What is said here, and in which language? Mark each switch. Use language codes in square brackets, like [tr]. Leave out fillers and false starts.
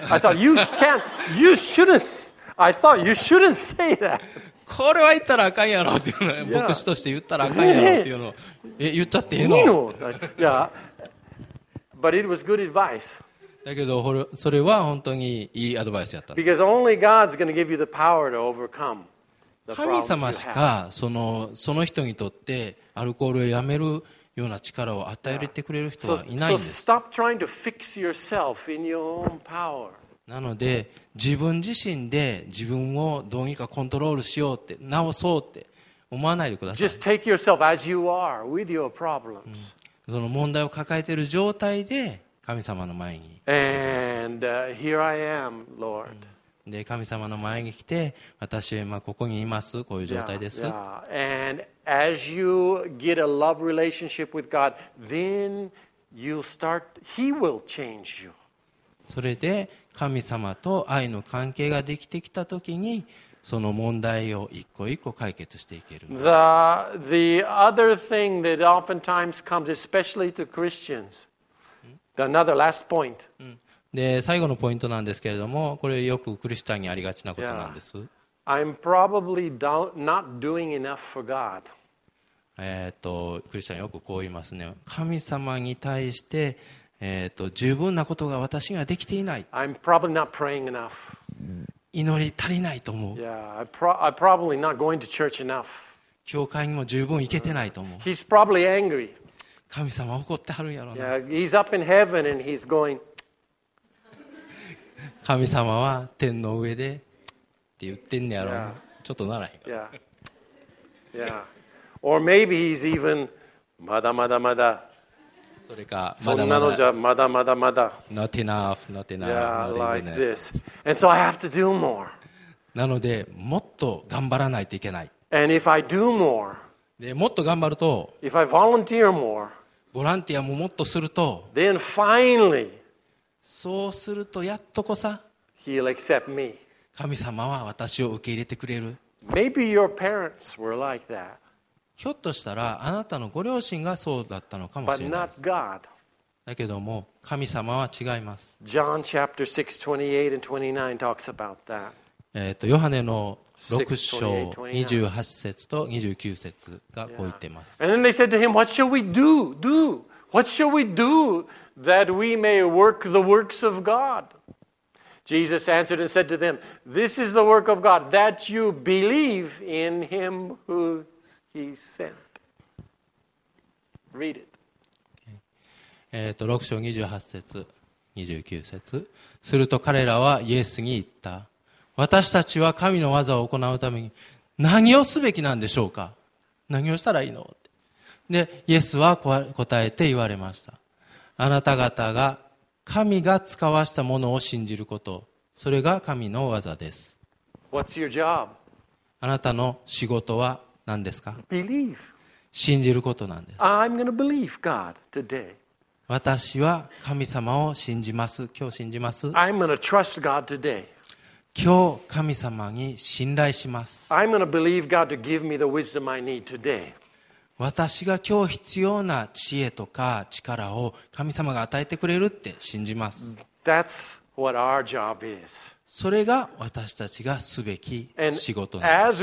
[en] I thought you can't, you shouldn't. I thought you shouldn't say that. [ja] これは言ったらあかんやろっていうの。牧師として言ったらあかんやろっていうの。言っちゃっていいの？いいの。 [en] Yeah. But it was good advice. [ja] だけどそれは本当にいいアドバイスやった。 [en] Because only God's going to give you the power to overcome. [ja] 神様しかその人にとってアルコールをやめるような力を与えてくれる人はいないんです。 [en] So stop trying to fix yourself in your own power. [ja] なので自分自身で自分をどうにかコントロールしようって直そうって思わないでください。 [en] Just take yourself as you are with your problems. [ja] その問題を抱えている状態で神様の前に来てください。 [en] And here I am, Lord. [ja] で神様の前に来て私はここにいますこういう状態です。 [en] Yeah, yeah. And as you get a love relationship with God, then you'll start, He will change you. [ja] それで神様と愛の関係ができてきた時にその問題を一個一個解決していけるんです。 [en] The other thing that oftentimes comes, especially to Christians, another last point. [ja] で最後のポイントなんですけれども、これよくクリスチャンにありがちなことなんです。 [en] Yeah. I'm probably not doing enough for God. [ja] クリスチャンよくこう言いますね。神様に対して、十分なことが私にはできていない。 [en] I'm probably not praying enough. [ja] 祈り足りないと思う。 [en] Yeah. I'm probably not going to church enough. [ja] 教会にも十分行けてないと思う。 [en] He's probably angry. [ja] 神様怒ってはるやろな。 [en] Yeah. He's up in heaven and he's going. [ja] 神様は天の上でって言ってんねやろ、yeah. ちょっとならへん [en] yeah. Yeah. Or maybe he's even [ja] まだまだまだそれかそんなのじゃまだまだまだ [en] not enough not enough yeah, like this. And so I have to do more. [ja] なのでもっと頑張らないといけない。 [en] And if I do more, [ja] でもっと頑張ると [en] if I volunteer more, [ja] ボランティアももっとすると [en] then finally [ja] そうするとやっとこさ [en] He'll accept me. [ja] 神様は私を受け入れてくれる。 [en] Maybe your parents were like that. [ja] ひょっとしたらあなたのご両親がそうだったのかもしれないです。 [en] But not God. [ja] だけども神様は違います。 [en] John chapter 6, 28 and 29 talks about that. [ja] ヨハネの6章28節と29節がこう言っています。 [en] And then they said to him, what shall we do? Do? What shall we do that we may work the works of God? Jesus answered and said to them, this is the work of God, that you believe in him who he sent. Read it. [ja] 6章28節29節。すると彼らはイエスに言った。私たちは神の技を行うために何をすべきなんでしょうか。何をしたらいいのって。でイエスは答えて言われました。あなた方が神が使わしたものを信じること、それが神の技です。 [en] What's your job? [ja] あなたの仕事は何ですか。 [en] Believe. [ja] 信じることなんです。 [en] I'm going to believe God today. [ja] 私は神様を信じます。今日信じます。 [en] I'm going to trust God today. [ja] 今日神様に信頼します。私が今日必要な知恵とか力を神様が与えてくれるって信じます。 [en] That's what our job is. [ja] それが私たちがすべき仕事なんです。